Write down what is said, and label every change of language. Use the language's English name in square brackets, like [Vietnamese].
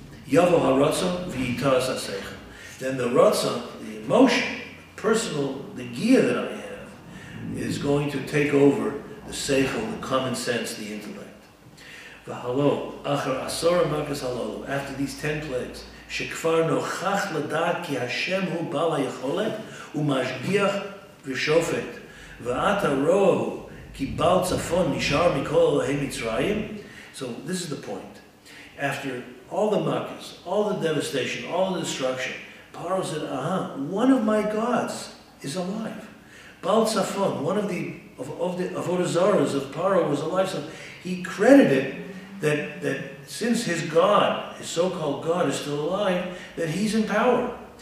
[Hebrew] Yavo haratzon v'yitaas asecha. [English] Then the ratzon, the emotion, the gear that I have, is going to take over the seichel, the common sense, the intellect. [Hebrew] V'halo achar asora makas halo, [English] after these 10 plagues, [Hebrew] שכבר נוכח לדעת כי השם הוא בעל היכולת ומשגיח ושופט ואת הרואו כי בעל צפון נשאר מכל אלוהי מצרים. [English] So this is the point. After all the makas, all the devastation, all the destruction, Paro said, one of my gods is alive. בעל צפון, one of the avodah zarahs of Paro was alive. So he credited that since his God, his so-called God, is still alive, that he's in power.